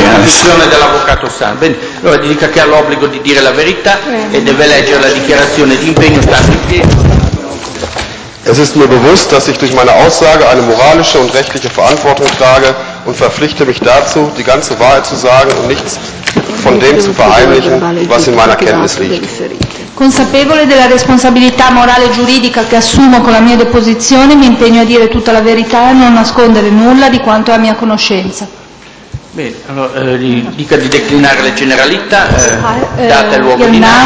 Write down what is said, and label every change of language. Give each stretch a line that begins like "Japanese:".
Italian: L'audizione dell'avvocato Sandra. Bene, allora gli dica che ha l'obbligo di dire la verità e deve leggere la dichiarazione di impegno stando in piedi.
German: Es ist mir bewusst, dass ich durch meine Aussage eine moralische und rechtliche Verantwortung trage und verpflichte mich dazu, die ganze Wahrheit zu sagen und nichts von dem zu verheimlichen, was in meiner Kenntnis liegt.
Italian: Consapevole della responsabilità morale e giuridica che assumo con la mia deposizione, mi impegno a dire tutta la verità e non nascondere nulla di quanto è a mia conoscenza. Bene, allora dica di declinare le generalità, data e luogo di